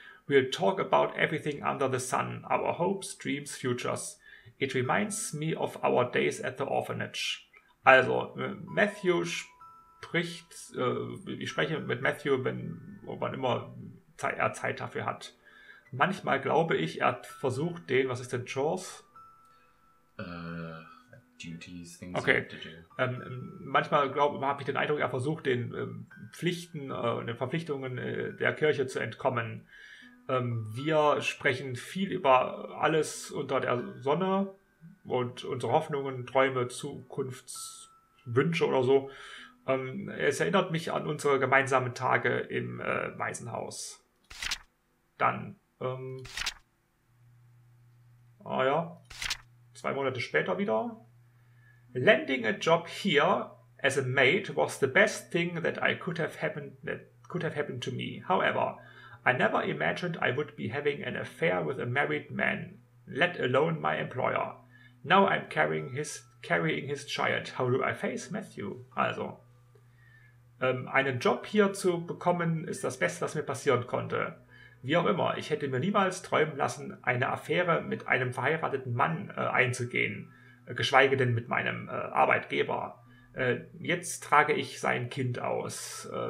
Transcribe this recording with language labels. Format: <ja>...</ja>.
<en>We'll talk about everything under the sun, our hopes, dreams, futures. It reminds me of our days at the orphanage.</en> <de>Also, Matthew spricht, ich spreche mit Matthew, wann immer er Zeit dafür hat. Manchmal glaube ich, er versucht den, was ist denn chores?</de> <en>Duties, things you have to do.</en> <de>Manchmal habe ich den Eindruck, er versucht den Pflichten und den Verpflichtungen der Kirche zu entkommen. Wir sprechen viel über alles unter der Sonne und unsere Hoffnungen, Träume, Zukunftswünsche oder so. Es erinnert mich an unsere gemeinsamen Tage im Waisenhaus. Dann, zwei Monate später wieder.</de> <en>Landing a job here as a maid was the best thing that could have happened to me. However, I never imagined I would be having an affair with a married man, let alone my employer. Now I'm carrying his child. How do I face Matthew?</en> <de>Also, einen Job hier zu bekommen ist das Beste, was mir passieren konnte. Wie auch immer, ich hätte mir niemals träumen lassen, eine Affäre mit einem verheirateten Mann einzugehen. Geschweige denn mit meinem Arbeitgeber. Jetzt trage ich sein Kind aus.</de>